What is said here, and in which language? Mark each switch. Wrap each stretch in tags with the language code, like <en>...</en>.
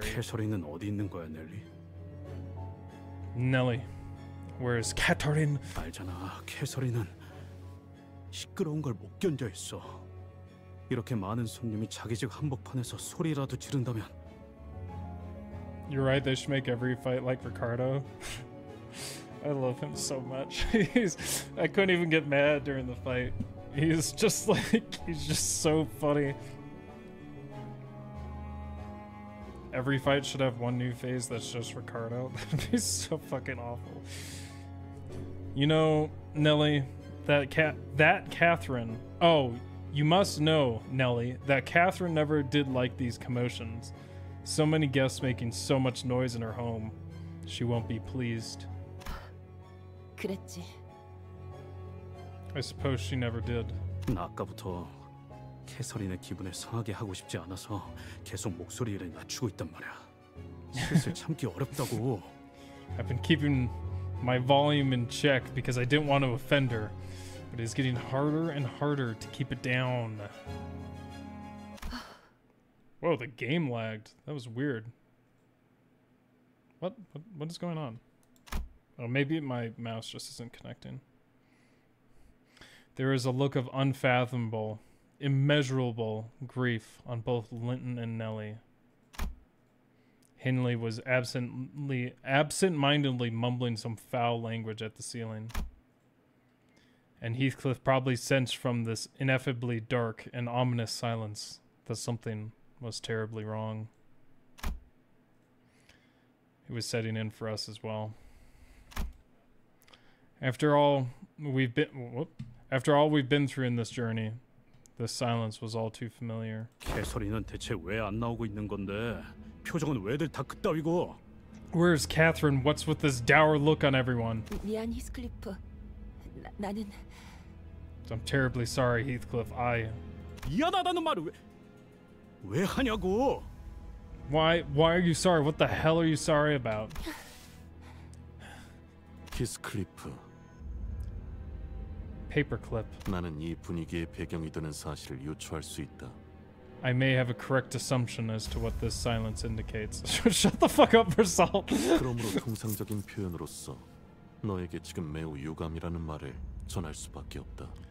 <ko>캐서린은 어디 있는 거야, 넬리?</ko> <en>Nelly. Where is Catherine?</en> <ko>알잖아, 캐서린은 시끄러운 걸 못 견뎌했어. 이렇게 많은 손님이 자기 집 한복판에서 소리라도 지른다면.</ko> <en>You're right, they should make every fight like Ricardo. I love him so much. I couldn't even get mad during the fight. He's just so funny. Every fight should have one new phase that's just Ricardo. That'd be so fucking awful. You know, Nelly, that Catherine. Oh, you must know, Nelly, that Catherine never did like these commotions. So many guests making so much noise in her home. She won't be pleased.</en> <ko>그랬지.</ko> <en>I suppose she never did.</en> <ko>나 아까부터 캐서린의 기분을 상하게 하고 싶지 않아서 계속 목소리를 낮추고 있단 말이야. 슬슬 참기 어렵다고.</ko> <en>I've been keeping my volume in check because I didn't want to offend her, but it's getting harder and harder to keep it down. Whoa, the game lagged. That was weird. What is going on? Oh, maybe my mouse just isn't connecting. There is a look of unfathomable, immeasurable grief on both Linton and Nelly. Hindley was absent-mindedly mumbling some foul language at the ceiling. And Heathcliff probably sensed from this ineffably dark and ominous silence that something was terribly wrong. It was setting in for us as well. After all we've been, whoop, After all we've been through in this journey, the silence was all too familiar.</en> <ko>캐서린은 대체 왜 안 나오고 있는 건데? 표정은 왜들 다 그따위고?</ko> <en>Where's Catherine? What's with this dour look on everyone?</en> <ko>미안, 히스클리프. 나는...</ko> <en>I'm terribly sorry, Heathcliff. I...</en> <ko>미안하다는 말을 왜... 왜 하냐고?</ko> <en>Why are you sorry? What the hell are you sorry about?</en> <ko>히스클리프.</ko> <en>Paperclip.</en> <ko>나는 이 분위기의 배경이 되는 사실을 유추할 수 있다.</ko> <en>I may have a correct assumption as to what this silence indicates. Shut the fuck up, Versal.</en> <ko>그러므로 통상적인 표현으로서 너에게 지금 매우 유감이라는 말을 전할 수밖에 없다.</ko>